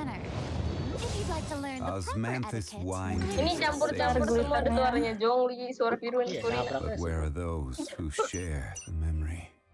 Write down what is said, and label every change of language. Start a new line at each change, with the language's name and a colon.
English: If you'd like to learn the proper etiquette.
Indonesian: Ini campur-campur semua ada suaranya Jongli, suara Viru dan Kurina.
English: Yeah, but where are those who share the memory?